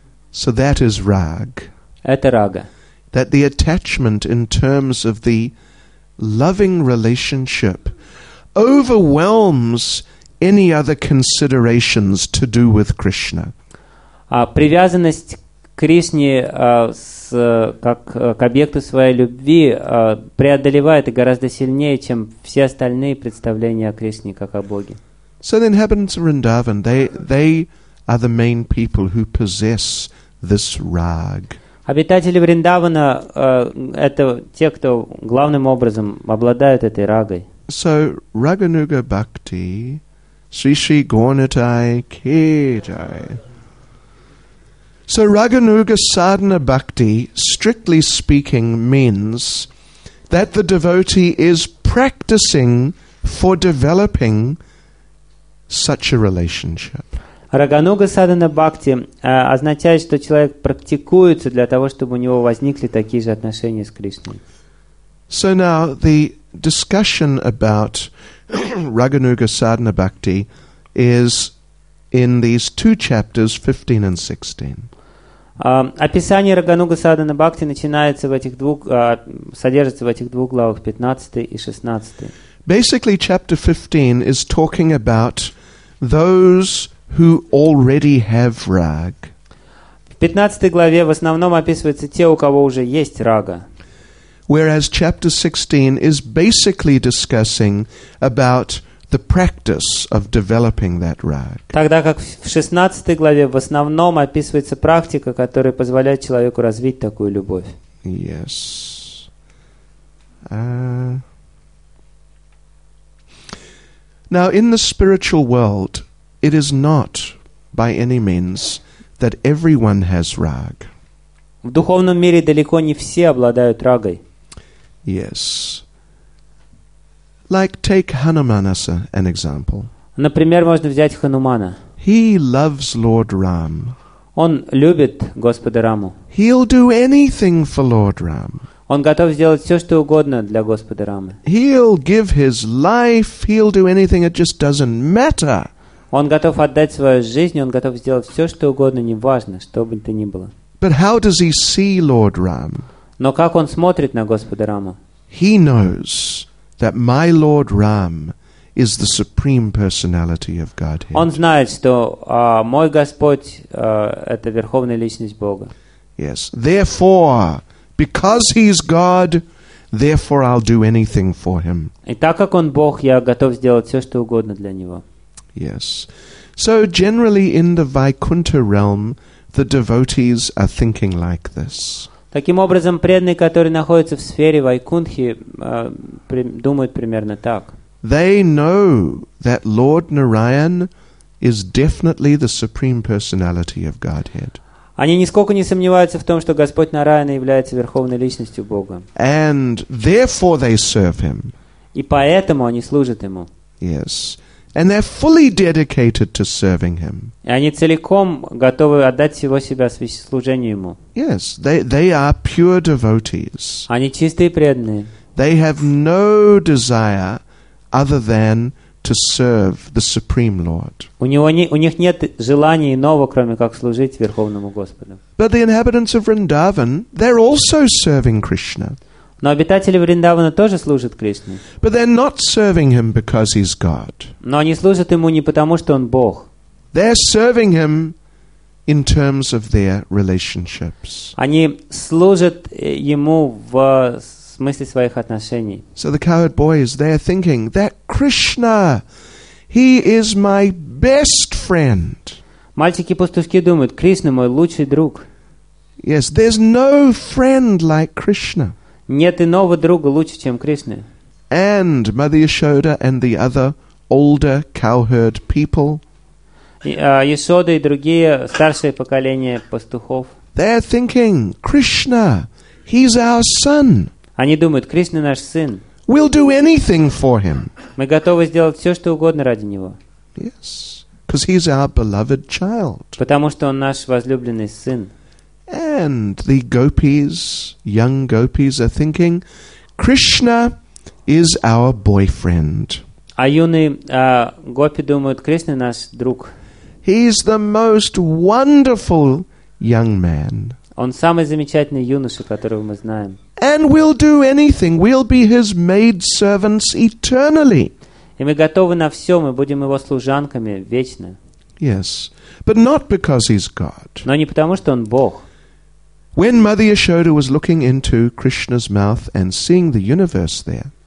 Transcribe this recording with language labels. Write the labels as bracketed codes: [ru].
[en] So that is rag. [ru] Это рага. [en] That the attachment in terms of the loving relationship overwhelms any other considerations to do with Krishna. [ru] Привязанность Кришне как объекту своей любви преодолевает и гораздо сильнее, чем все остальные представления о Кришне как о Боге. [en] So the inhabitants of Vrindavan, they are the main people who possess this rag. [ru] Обитатели Вриндавана это те, кто главным образом обладают этой рагой. [en] So Raganuga Bhakti, Sri Sri Gornitai Kejai. So Raganuga Sadhana Bhakti, strictly speaking, means that the devotee is practicing for developing such a relationship. [ru] Рагануга Садхана Бхакти означает, что человек практикуется для того, чтобы у него возникли такие же отношения с Кришной. [en] So now the discussion about Raganuga Sadhana Bhakti is in these two chapters, 15 and 16. [ru] Описание Рагануга Садхана Бхакти начинается в этих двух, содержится в этих двух главах, 15 и 16. [en] Basically, chapter 15 is talking about those who already have rag. [ru] В 15 главе в основном описываются те, у кого уже есть рага. [en] Whereas chapter 16 is basically discussing about the practice of developing that rag. [ru] Тогда как в 16 главе в основном описывается практика, которая позволяет человеку развить такую любовь. [en] Yes. Now in the spiritual world, it is not by any means that everyone has rag. [ru] В духовном мире далеко не все обладают рагой. [en] Yes. Like take Hanuman as an example. [ru] Например, можно взять Ханумана. [en] He loves Lord Ram. [ru] Он любит Господа Раму. [en] He'll do anything for Lord Ram. [ru] Он готов сделать все, что угодно для Господа Рамы. [en] He'll give his life, he'll do anything, it just doesn't matter. [ru] Он готов отдать свою жизнь, он готов сделать все, что угодно, неважно, что бы то ни было. [en] But how does he see Lord Ram? [ru] Но как он смотрит на Господа Раму? [en] He knows that my Lord Ram is the supreme personality of Godhead. [ru] Он знает, что мой Господь это верховная личность Бога. [en] Yes. Therefore, because he's God, therefore I'll do anything for him. [ru] И так как он Бог, я готов сделать все, что угодно для него. [en] Yes. So generally in the Vaikuntha realm, the devotees are thinking like this. [ru] Таким образом, преданные, которые находятся в сфере Вайкунтхи, думают примерно так. [en] They know that Lord Narayan is definitely the supreme personality of Godhead. [ru] Они нисколько не сомневаются в том, что Господь Нараяна является верховной личностью Бога. [en] And therefore they serve him. [ru] И поэтому они служат ему. [en] Yes. And they're fully dedicated to serving him. [ru] И они целиком готовы отдать всего себя служению ему. [en] Yes, they are pure devotees. [ru] Они чистые преданные. [en] They have no desire other than to serve the Supreme Lord. [ru] У них нет желания иного, кроме как служить Верховному Господу. [en] But the inhabitants of Vrindavan, they're also serving Krishna. [ru] Но обитатели Вриндавана тоже служат Кришне. [en] But they're not serving him because he's God. [ru] Но они служат ему не потому, что он Бог. [en] They're serving him in terms of their relationships. [ru] Они служат ему в смысле своих отношений. [en] So the coward boys, they're thinking that Krishna, he is my best friend. [ru] Мальчики-пастушки думают, Кришна мой лучший друг. [en] Yes, there's no friend like Krishna. [ru] Нет иного друга лучше, чем Кришна. [en] And Mother Yashoda and the other older cowherd people. [ru] Yashoda и другие старшие поколения пастухов. [en] They're thinking, Krishna, he's our son. [ru] Они думают, Кришна наш сын. [en] We'll do anything for him. [ru] Мы готовы сделать все, что угодно ради него. [en] Yes, because he's our beloved child. [ru] Потому что он наш возлюбленный сын. [en] And the gopis, young gopis, are thinking, Krishna is our boyfriend. [ru] А юные гопи думают, Кришна наш друг. [en] He's the most wonderful young man. [ru] Он самый замечательный юноша, которого мы знаем. [en] And we'll do anything. We'll be his maid servants eternally. [ru] И мы готовы на все. Мы будем его служанками вечно. [en] Yes, but not because he's God. [ru] Но не потому, что он Бог. [en] When Mother Yashoda was looking into Krishna's mouth and seeing the universe there,